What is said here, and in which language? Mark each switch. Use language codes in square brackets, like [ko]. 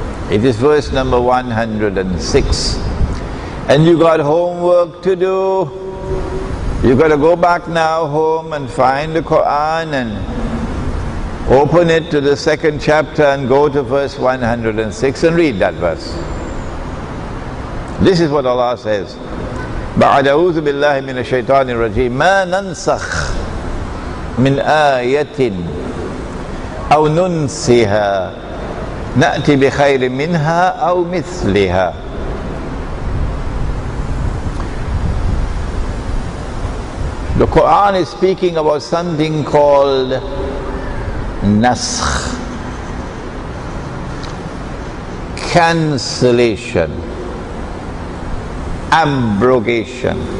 [en] It is verse number 106. And you got homework to do. You got to go back now home and find the Quran and open it to the second chapter and go to verse 106 and read that verse. This is what Allah says. [ar] بعد أعوذ بالله من الشيطان الرجيم ما ننسخ من آية أو ننسها نأتي بخير منها أو مثلها. [en] The Quran is speaking about something called nasakh, cancellation, abrogation.